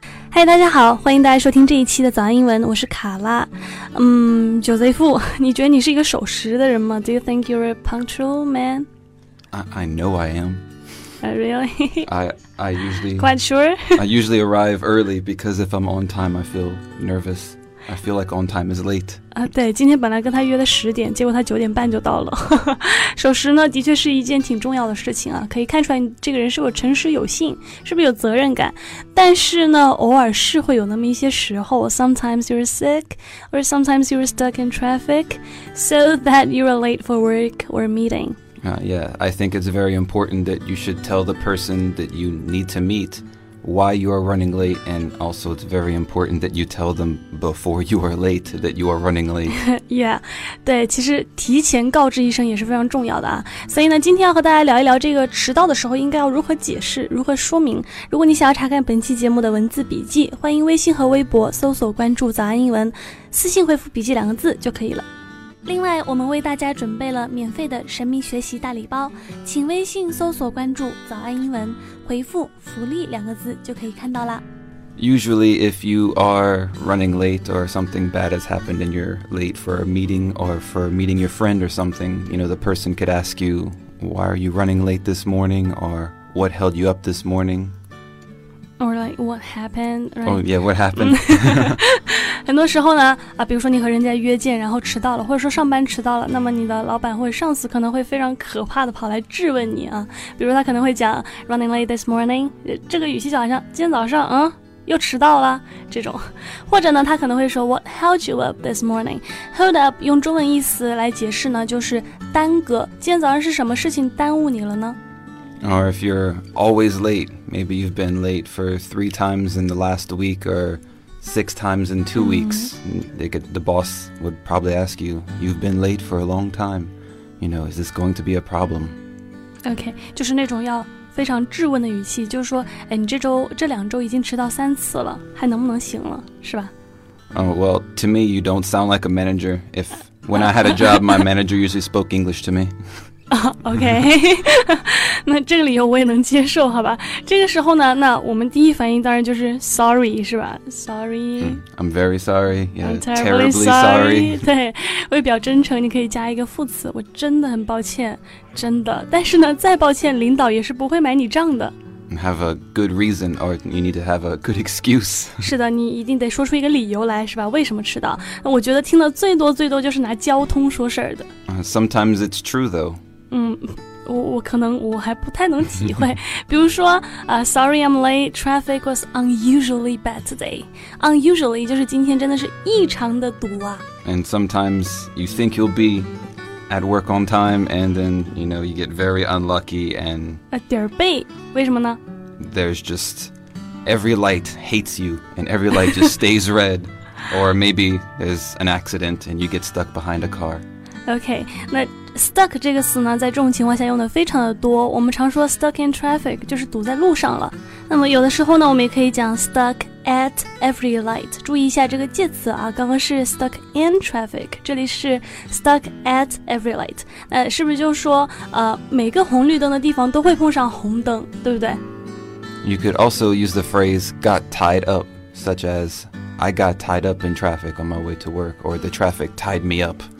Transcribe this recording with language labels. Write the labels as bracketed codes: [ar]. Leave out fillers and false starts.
[zh] 嗨，大家好，欢迎大家收听这一期的早安英文，我是卡拉。 Joseph, 你觉得你是一个守时的人吗？ [en] Do you think you're a punctual man? I know I am. Really? I usually... Quite sure? I usually arrive early because if I'm on time, I feel nervous. I feel like on time is late. [zh] 对，今天本来跟他约的十点，结果他九点半就到了。守时呢，的确是一件挺重要的事情啊，可以看出来这个人是否诚实有信，是不是有责任感。但是呢，偶尔是会有那么一些时候 [en] ，sometimes you're sick, or sometimes you're stuck in traffic, so that you're late for work or meeting. Yeah, I think it's very important that you should tell the person that you need to meet. Why you are running late, and also it's very important that you tell them before you are late that you are running late. [zh] Yeah, 对，其实提前告知一声也是非常重要的啊。所以呢，今天要和大家聊一聊这个迟到的时候应该要如何解释，如何说明。如果你想要查看本期节目的文字笔记，欢迎微信和微博搜索关注早安英文，私信回复笔记两个字就可以了。另外，我们为大家准备了免费的神秘学习大礼包，请微信搜索关注早安英文，回复福利两个字就可以看到了。 [en] Usually, if you are running late or something bad has happened and you're late for a meeting or for meeting your friend or something, you know, the person could ask you, why are you running late this morning? Or what held you up this morning? Or like, what happened? Right? Oh yeah, what happened? [zh] 很多时候呢啊，比如说你和人家约见然后迟到了，或者说上班迟到了，那么你的老板或者上司可能会非常可怕的跑来质问你啊，比如他可能会讲 [en] running late this morning， [zh] 这个语气就好像今天早上又迟到了这种，或者呢他可能会说 [en] what held you up this morning。 [zh] Hold up 用中文意思来解释呢，就是耽搁，今天早上是什么事情耽误你了呢？ [en] Or if you're always late, maybe you've been late for 3 times in the last week or6 times in 2 weeks,、the boss would probably ask you, you've been late for a long time. You know, is this going to be a problem? [zh] Okay, 就是那种要非常质问的语气，就是说，哎，你这两周已经迟到三次了，还能不能行了，是吧？ [en] Well, to me, you don't sound like a manager. If, when I had a job, my manager usually spoke English to me. [zh] Okay, 那这个理由我也能接受，好吧？这个时候呢，那我们第一反应当然就是 sorry， 是吧 ？Sorry,、 [en] I'm very sorry. Yeah, I'm terribly sorry. [zh] 对，为表真诚，你可以加一个副词，我真的很抱歉，真的。但是呢，再抱歉，领导也是不会买你账的。 [en] Have a good reason, or you need to have a good excuse. [zh] 是的，你一定得说出一个理由来，是吧？为什么迟到？我觉得听的最多最多就是拿交通说事儿的。 [en] Sometimes it's true, though. [zh] 我可能我还不太能体会，比如说 [en] sorry I'm late, traffic was unusually bad today. [zh] Unusually 就是今天真的是异常的堵啊。 [en] And sometimes you think you'll be at work on time, and then you know you get very unlucky and [zh] 点儿背，为什么呢？ [en] There's just every light hates you, and every light just stays red, or maybe there's an accident and you get stuck behind a car. [zh] Okay, 那stuck 这个词呢，在这种情况下用的非常的多。我们常说 [en] stuck in traffic [zh] 就是堵在路上了。那么有的时候呢，我们也可以讲 [en] stuck at every light。 [zh] 注意一下这个介词啊，刚刚是 [en] stuck in traffic， [zh] 这里是 [en] stuck at every light。 [zh] 是不是就是说，每个红绿灯的地方都会碰上红灯，对不对 [en] ？You could also use the phrase got tied up, such as I got tied up in traffic on my way to work, or the traffic tied me up.